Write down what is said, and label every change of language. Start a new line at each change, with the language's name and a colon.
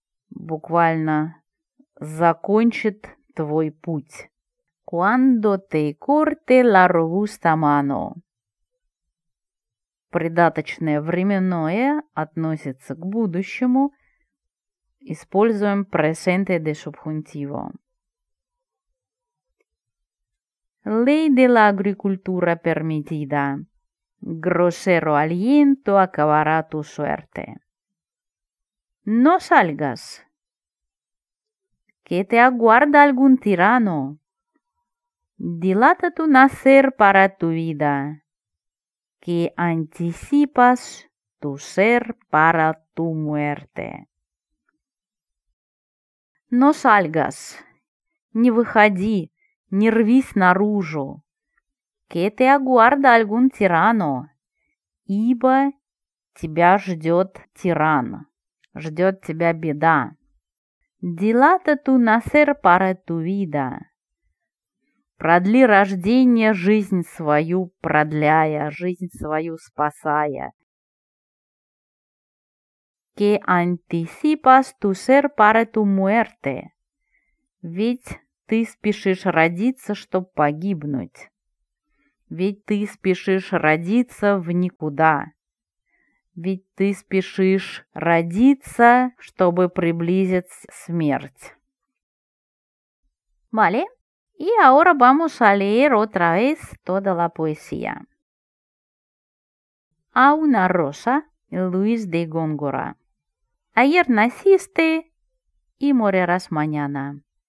Russian: Буквально закончит твой путь.
Spanish: Cuando te corte la robusta mano.
Russian: Придаточное временное относится к будущему. Используем presente de subjuntivo.
Spanish: Ley de la agricultura permitida. Grosero aliento acabará tu suerte. No salgas. Que te aguarda algún tirano. Dilata tu nacer para tu vida, que anticipas tu ser para tu muerte. No salgas,
Russian: не выходи, не рвись наружу,
Spanish: que te aguarda algún tirano,
Russian: ибо тебя ждет тиран, ждет тебя беда.
Spanish: Dilata tu nacer para tu vida.
Russian: Продли рождение, жизнь свою продляя, жизнь свою спасая.
Spanish: Que anticipas tu ser para tu muerte.
Russian: Ведь ты спешишь родиться, чтобы погибнуть. Ведь ты спешишь родиться в никуда. Ведь ты спешишь родиться, чтобы приблизить смерть.
Spanish: Vale. Y ahora vamos a leer otra vez toda la poesía. A una rosa, Luis de Góngora. Ayer naciste y morirás mañana.